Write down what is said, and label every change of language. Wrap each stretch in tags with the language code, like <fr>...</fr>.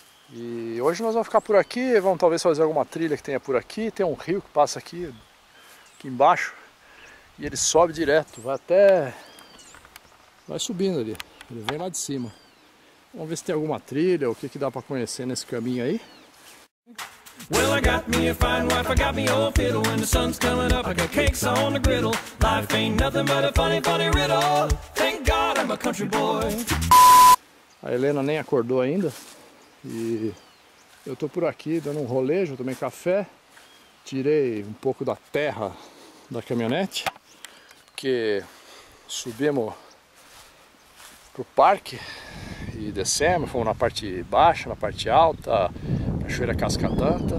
<pt>E hoje nós vamos ficar por aqui. Vamos talvez fazer alguma trilha que tenha por aqui. Tem um rio que passa aqui embaixo. E ele sobe direto, vai subindo ali, ele vem lá de cima. Vamos ver se tem alguma trilha, o que dá pra conhecer nesse caminho aí.</pt> <en>Well, I got me a fine wife, I got me old fiddle. When the sun's coming up, I got cakes on the griddle. Life ain't nothing but a funny, funny riddle. Thank God I'm a country boy.</en> <pt>A Helena nem acordou ainda. E eu tô por aqui dando um rolê, já tomei café. Tirei um pouco da terra da caminhonete, que subimos pro parque e descemos, fomos na parte baixa, na parte alta, cachoeira Cascatanta.</pt>